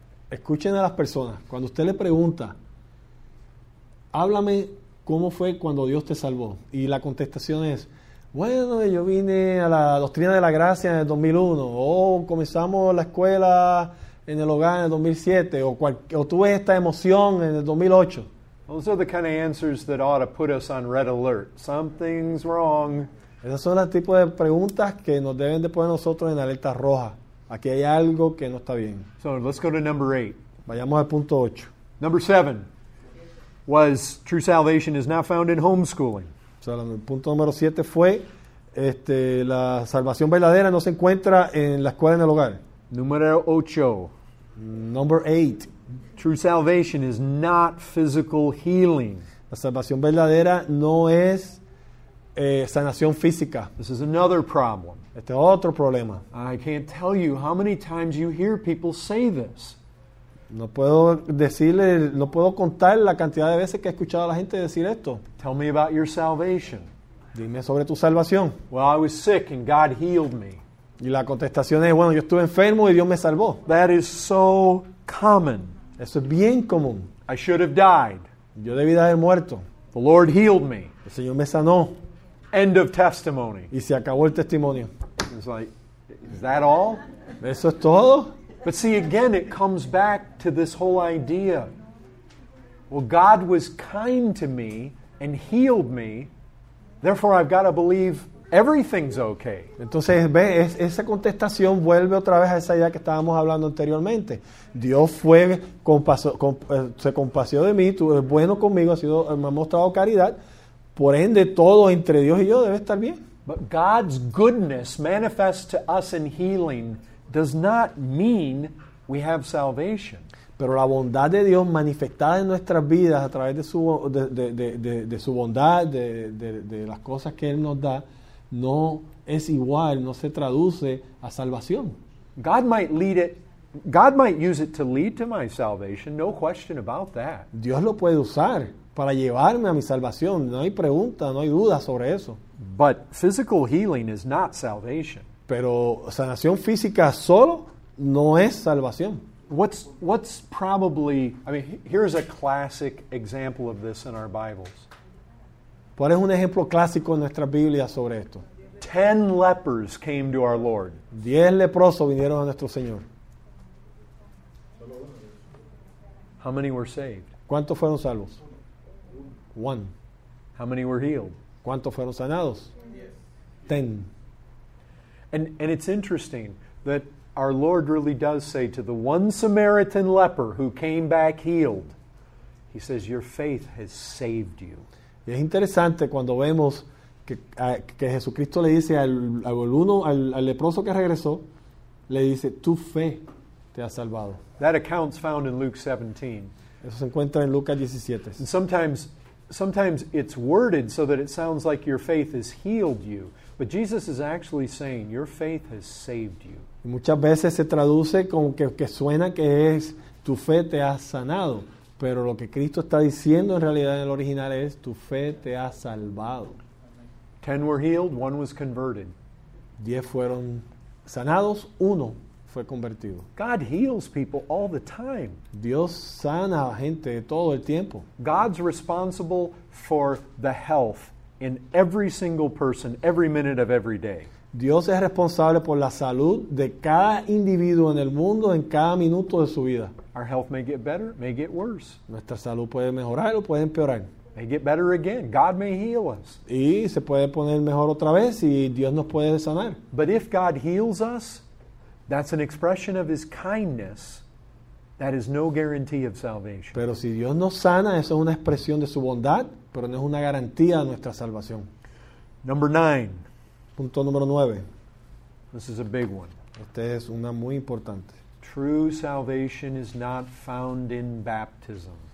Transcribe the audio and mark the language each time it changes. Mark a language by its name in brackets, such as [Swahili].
[Spanish] Escuchen a las personas. Cuando usted le pregunta, "Háblame cómo fue cuando Dios te salvó." Y la contestación es, "Bueno, yo vine a la doctrina de la gracia en el 2001. O comenzamos la escuela en el hogar en el 2007. O tuve esta emoción en el 2008. [English] Those are the kind of answers that ought to put us on red alert. Something's wrong. [Spanish] Esas son las tipos de preguntas que nos deben de poner nosotros en alerta roja. Aquí hay algo que no está bien. [English] So let's go to number 8. [Spanish] Vayamos al punto 8. [English] Number 7 was true salvation is not found in homeschooling. [Spanish] O sea, el punto número 7 fue la salvación verdadera no se encuentra en la escuela en el hogar. Número 8. [English] Number 8. True salvation is not physical healing. [Spanish] La salvación verdadera no es sanación física. [English] This is another problem. [Spanish] Este es otro problema. [English] I can't tell you how many times you hear people say this. [Spanish] No puedo contar la cantidad de veces que he escuchado a la gente decir esto. [English] Tell me about your salvation. [Spanish] Dime sobre tu salvación. [English] Well, I was sick and God healed me. [Spanish] Y la contestación es, bueno, yo estuve enfermo y Dios me salvó. [English] That is so common. [Spanish] Eso es bien común. [English] I should have died. [Spanish] Yo debí de haber muerto. [English] The Lord healed me. [Spanish] El Señor me sanó. [English] End of testimony. [Spanish] Y se acabó el testimonio. [English] It's like, is that all? [Spanish] ¿Eso es todo? [English] But see, again, it comes back to this whole idea. Well, God was kind to me and healed me. Therefore, I've got to believe everything's okay. [Spanish] Entonces, ve, esa contestación vuelve otra vez a esa idea que estábamos hablando anteriormente. Dios fue, se compasió de mí, tú eres bueno conmigo, me ha mostrado caridad. Por ende, todo entre Dios y yo debe estar bien. [English] But God's goodness manifests to us in healing does not mean we have salvation. [Spanish] Pero la bondad de Dios manifestada en nuestras vidas a través de su bondad, de las cosas que Él nos da, no es igual, no se traduce a salvación. [English] God might use it to lead to my salvation, no question about that. [Spanish] Dios lo puede usar para llevarme a mi salvación. No hay pregunta, no hay duda sobre eso. [English] But physical healing is not salvation. [Spanish] Pero sanación física solo no es salvación. [English] What's probably, I mean, here's a classic example of this in our Bibles. [Spanish] ¿Cuál es un ejemplo clásico en nuestra Biblia sobre esto? [English] 10 lepers came to our Lord. [Spanish] 10 leprosos vinieron a nuestro Señor. [English] How many were saved? [Spanish] ¿Cuántos fueron salvos? [English] One. How many were healed? [Spanish] ¿Cuántos fueron sanados? [English] Yes. 10. And it's interesting that our Lord really does say to the one Samaritan leper who came back healed, He says, your faith has saved you. [Spanish] Y es interesante cuando vemos que Jesucristo le dice al leproso que regresó, le dice, tu fe te ha salvado. [English] That account's found in Luke 17. [Spanish] Eso se encuentra en Lucas 17. [English] And sometimes it's worded so that it sounds like your faith has healed you. But Jesus is actually saying, your faith has saved you. [Spanish] Y muchas veces se traduce como que suena que es, tu fe te ha sanado. Pero lo que Cristo está diciendo en realidad en el original es, tu fe te ha salvado. [English] 10 were healed, one was converted. [Spanish] 10 fueron sanados, uno fue convertido. [English] God heals people all the time. [Spanish] Dios sana a gente todo el tiempo. [English] God's responsible for the health in every single person, every minute of every day. [Spanish] Dios es responsable por la salud de cada individuo en el mundo en cada minuto de su vida. [English] Our health may get better, may get worse. [Spanish] Nuestra salud puede mejorar o puede empeorar. [English] May get better again. God may heal us. [Spanish] Y se puede poner mejor otra vez y Dios nos puede sanar. [English] But if God heals us, that's an expression of His kindness. That is no guarantee of salvation. [Spanish] Pero si Dios nos sana, eso es una expresión de su bondad, pero no es una garantía de nuestra salvación. [English] Number 9. [Spanish] Punto número 9. [English] This is a big one. [Spanish] Este es una muy importante. [English] True salvation is not found in baptism.